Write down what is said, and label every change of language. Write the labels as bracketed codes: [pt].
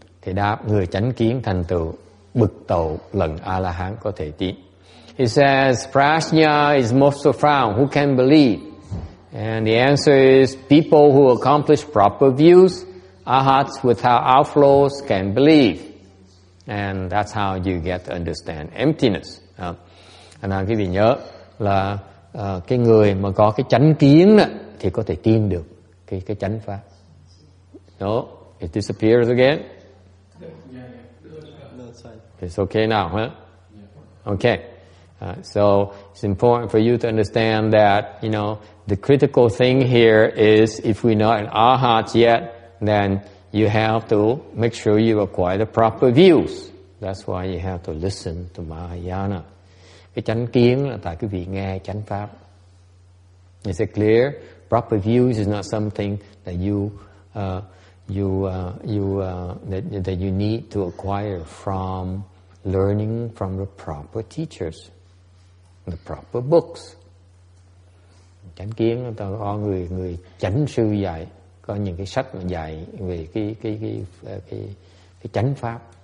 [vi] Thì đáp, người chánh kiến thành tựu bực tẩu lần a la hán có thể tín. [en] He says prajna is most profound, who can believe? And the answer is people who accomplish proper views, arhats without outflows can believe. And that's how you get to understand emptiness. [vi] Anh em quý vị nhớ là cái người mà có cái chánh kiến đó, thì có thể tin được cái chánh pháp. [en] No, it disappears again. It's okay now, huh? Okay. So it's important for you to understand that, you know, the critical thing here is if we're not in our hearts yet, then you have to make sure you acquire the proper views. That's why you have to listen to Mahayana. [vi] Cái chánh kiến là tại quý vị nghe chánh pháp. [en] Is it clear? Proper views is not something that you need to acquire from learning from the proper teachers, the proper books. [vi] Chánh kiến là tại có người chánh sư dạy. Có những cái sách mà dạy về cái chánh pháp.